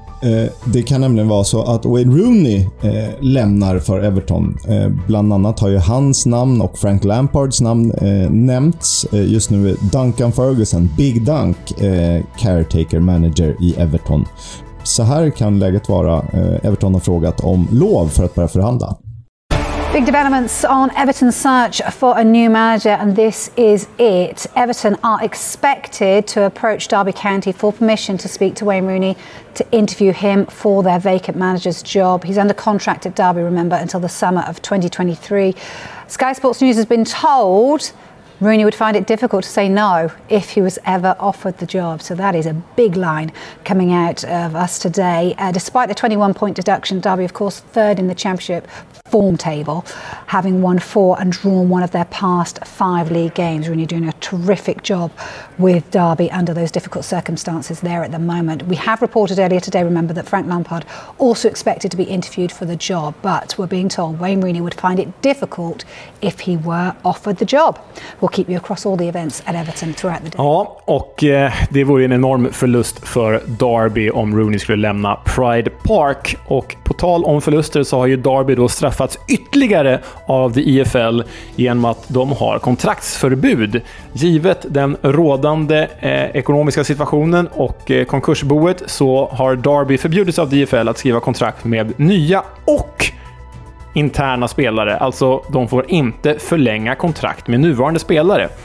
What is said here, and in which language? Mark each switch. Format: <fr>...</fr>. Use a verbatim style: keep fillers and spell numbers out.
<sv>Eh, det kan nämligen vara så att Wayne Rooney eh, lämnar för Everton. Eh, bland annat har ju hans namn och Frank Lampards namn eh, nämnts. Eh, just nu är Duncan Ferguson, Big Dunk, eh, caretaker manager i Everton. Så här kan läget vara. Eh, Everton har frågat om lov för att börja förhandla.</sv> <en>Big developments on Everton's search for a new manager, and this is it. Everton are expected to approach Derby County for permission to speak to Wayne Rooney to interview him for their vacant manager's job. He's under contract at Derby, remember, until the summer of twenty twenty-three. Sky Sports News has been told Rooney would find it difficult to say no if he was ever offered the job. So that is a big line coming out of us today. Uh, despite the twenty-one point deduction, Derby, of course, third in the Championship form table, having won four and drawn one of their past five league games. Rooney doing a terrific job with Derby under those difficult circumstances there at the moment. We have reported earlier today, remember, that Frank Lampard also expected to be interviewed for the job, but we're being told Wayne Rooney would find it difficult if he were offered the job. We'll keep you across all the events at Everton throughout the day.</en> <sv>Ja, och eh, det vore en enorm förlust för Derby om Rooney skulle lämna Pride Park. Och på tal om förluster så har ju Derby då straffats ytterligare av the I F L genom att de har kontraktsförbud. Givet den rådande eh, ekonomiska situationen och eh, konkursboet så har Derby förbjudits av the I F L att skriva kontrakt med nya och interna spelare, alltså de får inte förlänga kontrakt med nuvarande spelare.</sv>